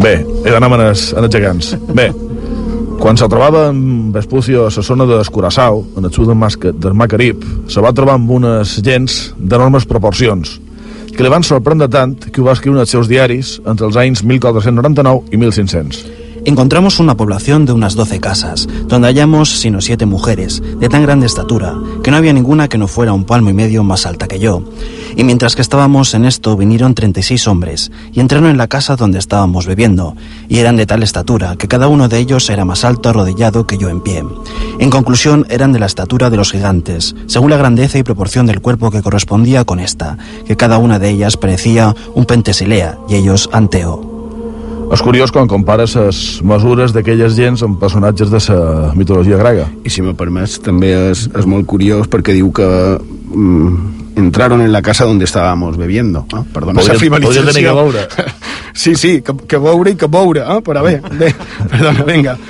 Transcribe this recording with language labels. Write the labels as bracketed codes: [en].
[ca] Bé, he d'anar amb els gegants. Bé. Quan se trobava en Vespucio a la zona de Curaçao, en el sud del Mar Carib, se va trobar amb unes gens d'enormes proporcions, que li van sorprendre tant que ho va escriure en els seus diaris entre els anys 1499 i 1500. [es] Encontramos una población de unas 12 casas, donde hallamos sino 7 mujeres, de tan grande estatura, que no había ninguna que no fuera un palmo y medio más alta que yo. Y mientras que estábamos en esto, vinieron 36 hombres, y entraron en la casa donde estábamos bebiendo, y eran de tal estatura, que cada uno de ellos era más alto arrodillado que yo en pie. En conclusión, eran de la estatura de los gigantes, según la grandeza y proporción del cuerpo que correspondía con esta, que cada una de ellas parecía un Pentesilea, y ellos Anteo. [ca] És curiós quan compares les mesures d'aquelles gens amb personatges de la mitologia grega. I si m'ho permets, també és molt curiós perquè diu que [es] entraron en la casa donde estábamos bebiendo. [ca] Perdona, s'ha finalitzat. Podria tenir que veure. Sí, sí, que veure i que veure, però bé, perdona, vinga.